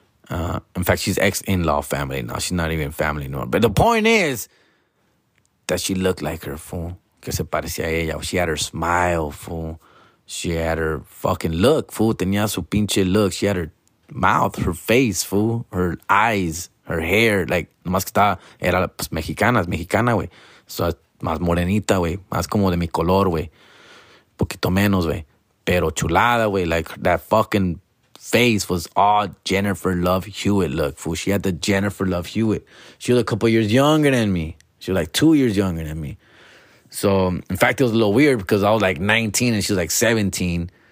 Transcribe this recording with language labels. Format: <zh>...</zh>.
<en>In fact, she's ex-in-law family now. She's not even family anymore. But the point is that she looked like her, fool.</en> <es>que se parecía a ella.</es> <en>She had her smile, fool. She had her fucking look, fool.</en> <es>Tenía su pinche look.</es> <en>She had her mouth, her face, fool. Her eyes, her hair.</en> <es>Like, nomás que estaba, era pues, mexicana, es mexicana, güey. So, más morenita, güey. Más como de mi color, güey. Poquito menos, güey. Pero chulada, güey.</es> <en>Like, that fucking face was all Jennifer Love Hewitt look, fool. She had the Jennifer Love Hewitt. She was a couple years younger than me. She was like 2 years younger than me. So, in fact, it was a little weird because I was like 19 and she was like 17.</en>